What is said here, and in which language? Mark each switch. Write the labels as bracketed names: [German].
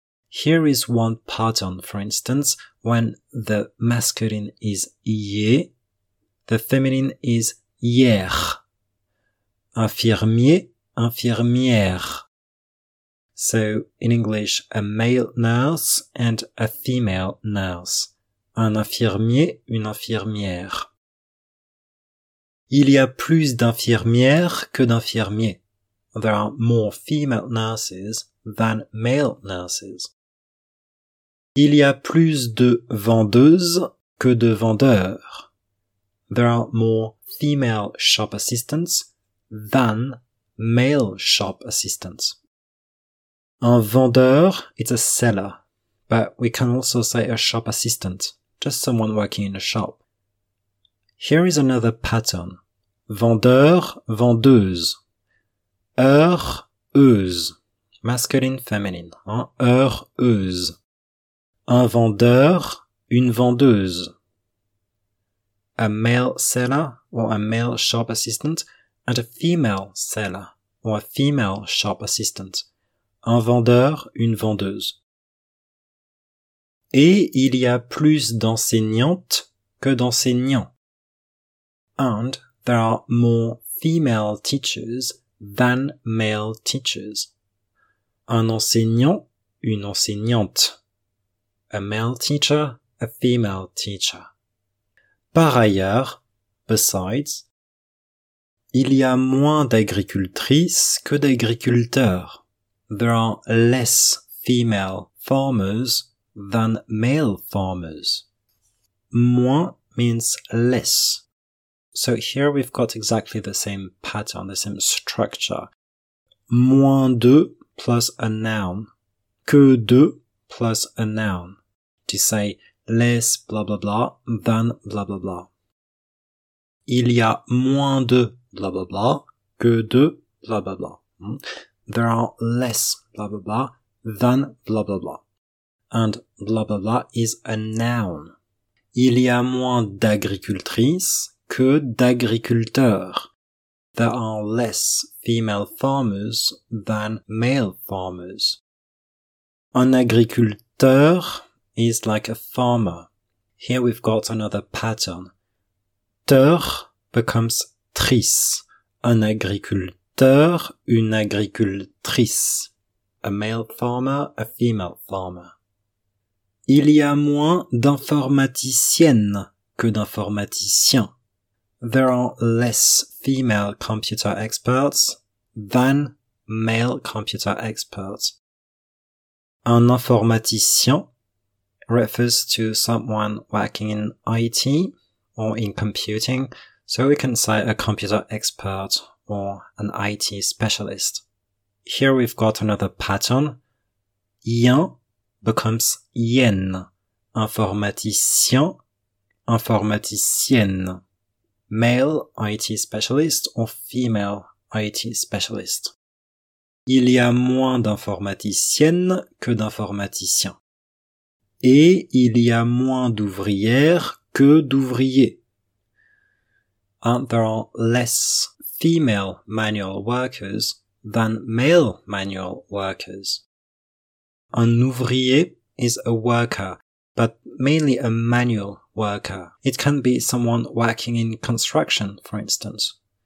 [English] Here is one pattern, for instance, when the masculine is hier, the feminine is hier. Infirmier, infirmière. So, in English, a male nurse and a female nurse. [French] Un infirmier, une infirmière. Il y a plus d'infirmières que d'infirmiers. [English] There are more female nurses than male nurses. [French] Il y a plus de vendeuses que de vendeurs. [English] There are more female shop assistants than male shop assistants. Un vendeur, it's a seller, but we can also say a shop assistant. just someone working in a shop. Here is another pattern. [French] Vendeur, vendeuse. Heureuse. [English] Masculine, feminine. Hein? Heureuse. [French] Un vendeur, une vendeuse. [English] A male seller or a male shop assistant and a female seller or a female shop assistant. [French] Un vendeur, une vendeuse. Et il y a plus d'enseignantes que d'enseignants. [English] And there are more female teachers than male teachers. [French] Un enseignant, une enseignante. [English] A male teacher, a female teacher. [French] Par ailleurs, [English] besides, [French] il y a moins d'agricultrices que d'agriculteurs. [English] There are less female farmers than male farmers. Moins means less. So here we've got exactly the same pattern, the same structure. Moins de plus a noun. Que de plus a noun. To say less blah blah blah than blah blah blah. [French] Il y a moins de blah blah blah que de blah blah blah. [English] There are less blah blah blah than blah blah blah. And blah blah blah is a noun. Il y a moins d'agricultrices que d'agriculteurs. There are less female farmers than male farmers. Un agriculteur is like a farmer. Here we've got another pattern. Teur becomes tris. [French] Un agriculteur, une agricultrice. [English] A male farmer, a female farmer. [French] Il y a moins d'informaticiennes que d'informaticiens. [English] There are less female computer experts than male computer experts. Un informaticien refers to someone working in IT or in computing, so we can say a computer expert or an IT specialist. Here we've got another pattern. Yen becomes yen. [French] Informaticien, informaticienne. [English] Male IT specialist or female IT specialist. [French] Il y a moins d'informaticiennes que d'informaticiens. Et il y a moins d'ouvrières que d'ouvriers. [English] And there are less female manual workers than male manual workers. Un ouvrier is a worker, but mainly a manual worker. It can be someone working in construction, for instance.